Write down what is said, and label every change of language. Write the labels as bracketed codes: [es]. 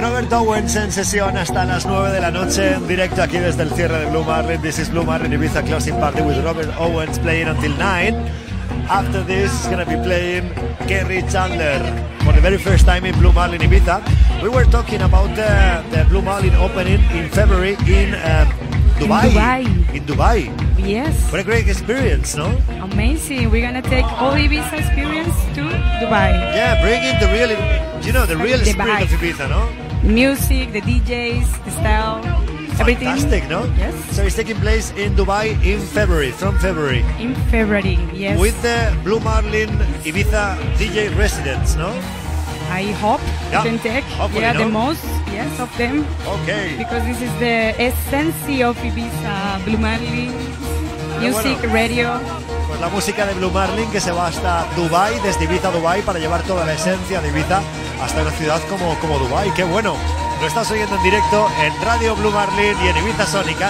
[es] Owens en sesión hasta las 9 de la noche en directo aquí desde el cierre de Blue Marlin. [en] This is Blue Marlin Ibiza Closing Party with Robert Owens playing until 9. After this is gonna be playing Kerry Chandler for the very first time in Blue Marlin Ibiza. We were talking about the Blue Marlin opening in February in Dubai. In Dubai. Yes. What a great experience, no? Amazing. We're gonna take all Ibiza experience to Dubai. Yeah, bring in the real, you know, the real Dubai spirit of Ibiza, no? Music, the DJs, the style, everything. Fantastic, no? Yes. So it's taking place in Dubai in February, from February. In February, yes. With the Blue Marlin Ibiza DJ residents, no? I hope. Yeah. Hopefully, yeah, no? The most, yes, of them. Okay. Because this is the essence of Ibiza, Blue Marlin, music, [es] bueno, radio. Pues la música de Blue Marlin que se va hasta Dubai, desde Ibiza a Dubai, para llevar toda la esencia de Ibiza hasta una ciudad como Dubai. ¡Qué bueno! Lo estás oyendo en directo en Radio Blue Marlin y en Ibiza Sónica.